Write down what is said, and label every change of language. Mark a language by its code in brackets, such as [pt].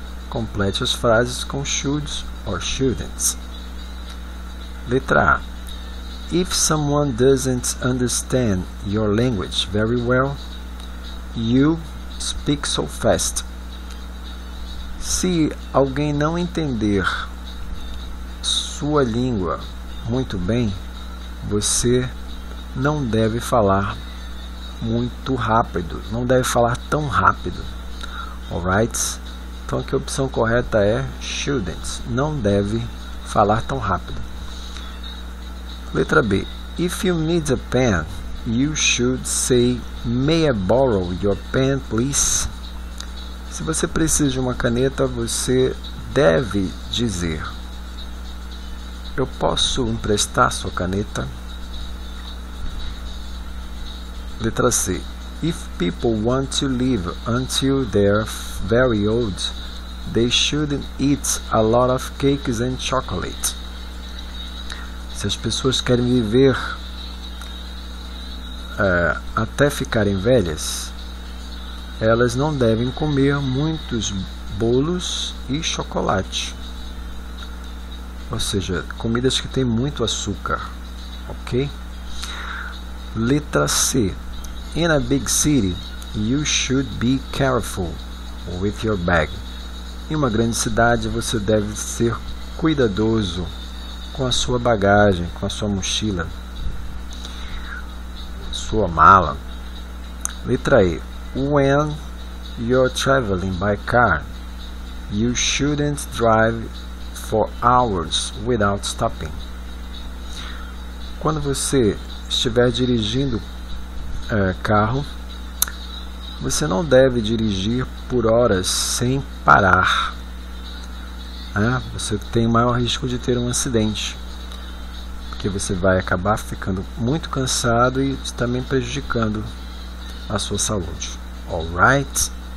[pt] Complete as frases com should or shouldn't. Letra A. [en] If someone doesn't understand your language very well, you speak so fast. [pt] Se alguém não entender sua língua muito bem, você não deve falar muito rápido, não deve falar tão rápido. [en] Alright? [pt] Então aqui a opção correta é shouldn't, não deve falar tão rápido. Letra B. [en] If you need a pen, you should say, may I borrow your pen, please? [pt] Se você precisa de uma caneta, você deve dizer, eu posso emprestar sua caneta? Letra C. [en] If people want to live until they're very old, they shouldn't eat a lot of cakes and chocolate. [pt] Se as pessoas querem viver até ficarem velhas, elas não devem comer muitos bolos e chocolate. Ou seja, comidas que têm muito açúcar. Ok? Letra C. [en] In a big city, you should be careful with your bag. [pt] Em uma grande cidade, você deve ser cuidadoso com a sua bagagem, com a sua mochila, sua mala. Letra E. [en] When you're traveling by car, you shouldn't drive for hours without stopping. [pt] Quando você estiver dirigindo carro, você não deve dirigir por horas sem parar. Você tem maior risco de ter um acidente, porque você vai acabar ficando muito cansado e também prejudicando a sua saúde. [en] Alright?